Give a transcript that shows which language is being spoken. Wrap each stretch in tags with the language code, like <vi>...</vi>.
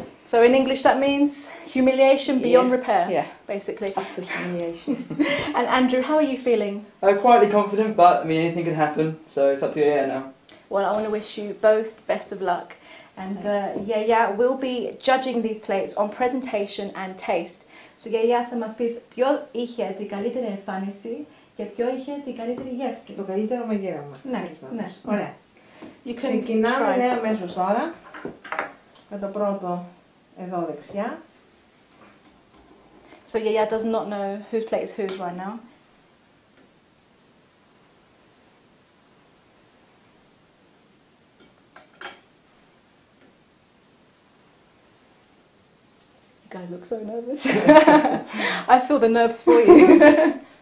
<en>So in English that means humiliation beyond repair, yeah, basically. Utter humiliation. And Andrew, how are you feeling? Quietly confident, but I mean, anything could happen, so it's up to Yaya now. Well, I want to wish you both the best of luck. And Yaya will be judging these plates on presentation and taste.</en> <el>So Yaya, θα μας πεις ποιο είχε την καλύτερη εμφάνιση και ποιο είχε την καλύτερη γεύση. Το καλύτερο μαγείρεμα. Ναι. Ωραία. Ξεκινάμε νέα αμέσως τώρα με το πρώτο εδώ δεξιά.</el> <en>So Yaya does not know whose plate is whose right now. You guys look so nervous. I feel the nerves for you.</en>